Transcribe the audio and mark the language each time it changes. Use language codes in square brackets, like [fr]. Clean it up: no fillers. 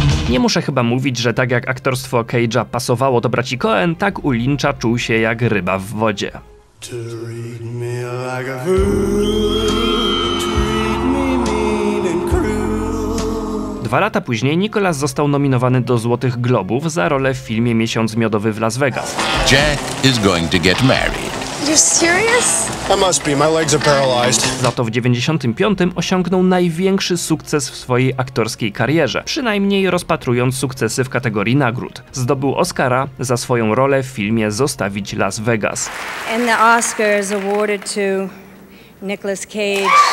[pl] Nie muszę chyba mówić, że tak jak aktorstwo Cage'a pasowało do braci Coen, tak u Lyncha czuł się jak ryba w wodzie. Dwa lata później Nicolas został nominowany do Złotych Globów za rolę w filmie Miesiąc Miodowy w Las Vegas. [en] Jack is going to get married. You're serious? I must be, my legs are paralyzed. [pl] Za to w 1995 osiągnął największy sukces w swojej aktorskiej karierze, przynajmniej rozpatrując sukcesy w kategorii nagród. Zdobył Oscara za swoją rolę w filmie Zostawić Las Vegas. [en] And the Oscar is awarded to Nicolas Cage.